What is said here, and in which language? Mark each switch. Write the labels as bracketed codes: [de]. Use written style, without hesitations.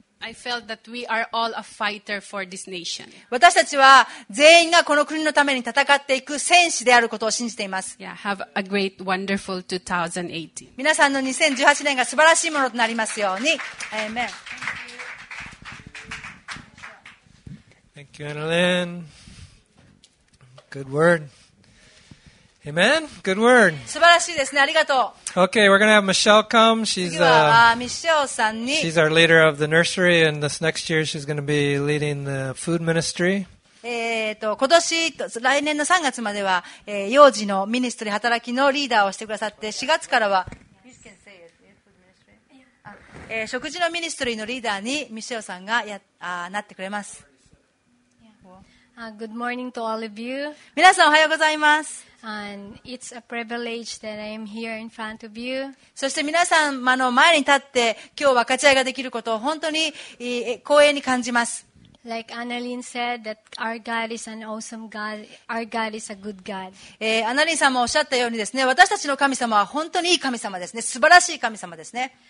[en] I felt that we are all a fighter for this nation. [ja] 私たちは全員がこの国のために戦っていく戦士であることを信じています。 [en] Yeah, have a great, wonderful 2018. [ja] 皆さんの2018年が素晴らしいものとなりますように。 [en] Amen. Thank you, Annalyn. Good word. Amen. Good word. [ja] 素晴らしいですね。ありがとう。 [en] Okay, we're gonna have Michelle come. She's, [ja] 次は、Michelle さんに。 [en] She's our leader of the nursery, and this next year she's gonna be leading the food ministry. [ja] 今年、来年の3月までは、幼児のミニストリー働きのリーダーをしてくださって、4月からは、食事のミニストリーのリーダーに Michelle さんがなってくれます。 [en] Good morning to all of you. [ja] 皆さんおはようございます。 [en] And it's a privilege that I am here in front of you. [ja] そして皆さんあの前に立って今日分かち合いができることを本当に光栄に感じます。 [en] Like Annalyn said that our God is an awesome God. Our God is a good God. [ja] Annalyn さんもおっしゃったようにですね、私たちの神様は本当にいい神様ですね。素晴らしい神様ですね。